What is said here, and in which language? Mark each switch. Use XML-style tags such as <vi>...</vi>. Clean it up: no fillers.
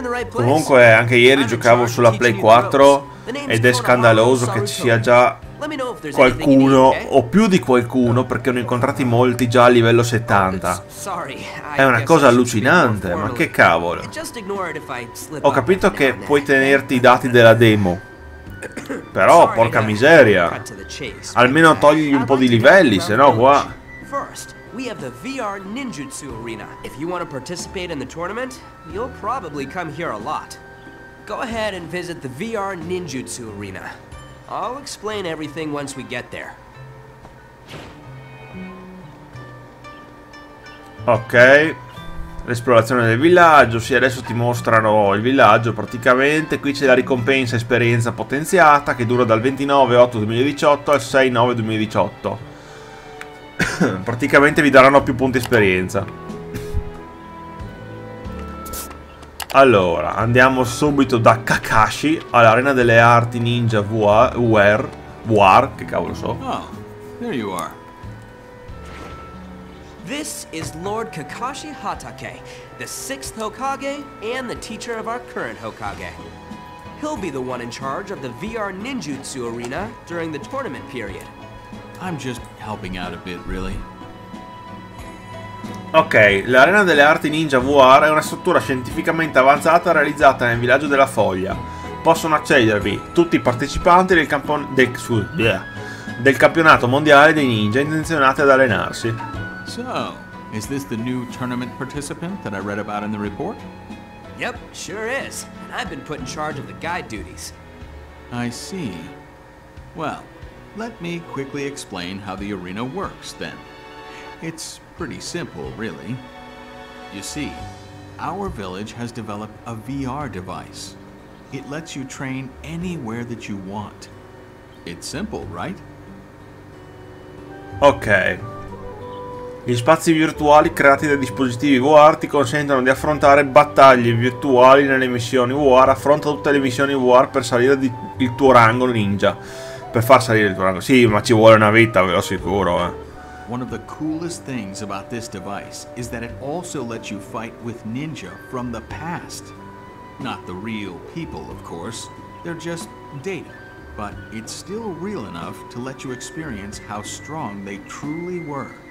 <it>Comunque anche ieri giocavo sulla Play 4 ed è scandaloso che ci sia già qualcuno o più di qualcuno, perché ne ho incontrati molti già a livello 70. È una cosa allucinante, ma che cavolo. Ho capito che puoi tenerti i dati della demo, però porca miseria, almeno togli un po' di livelli, sennò qua...</it> <en>We have the VR Ninjutsu Arena. If you want to participate in the tournament, you'll probably come here a lot. Go ahead and visit the VR Ninjutsu Arena. I'll explain everything once we get there.</en> <it>Ok. L'esplorazione del villaggio. Sì, adesso ti mostrano il villaggio praticamente. Qui c'è la ricompensa esperienza potenziata che dura dal 29/8/2018 al 6/9/2018. Praticamente vi daranno più punti esperienza. Allora, andiamo subito da Kakashi all'arena delle arti ninja war, che cavolo so.</it> <en>Oh, here you are. This is Lord Kakashi Hatake, the 6th Hokage and the teacher of our current Hokage. He'll be the one in charge of the VR Ninjutsu Arena during the tournament period. I'm just helping out a bit, really.</en> <it>Ok, l'arena delle arti ninja VR è una struttura scientificamente avanzata realizzata nel villaggio della Foglia. Possono accedervi tutti i partecipanti del campionato mondiale dei ninja intenzionati ad allenarsi.</it> <en>So, is this the new tournament participant that I read about in the report? Yep, sure is. I've been put in charge of the guide duties. I see. Well, let me quickly explain how the arena works then. It's pretty simple, really. You see, our village has developed a VR device. It lets you train anywhere that you want. It's simple, right? Ok.</en> <it>Gli spazi virtuali creati dai dispositivi VR ti consentono di affrontare battaglie virtuali nelle missioni VR. Affronta tutte le missioni VR per salire il tuo rango ninja. Per far salire il tuo rango. Sì, ma ci vuole una vita, ve lo assicuro, eh.</it> <en>One of the coolest things about this device is that it also lets you fight with ninja from the past. Not the real people, of course. They're just data. But it's still real enough to let you experience how strong they truly were.</en>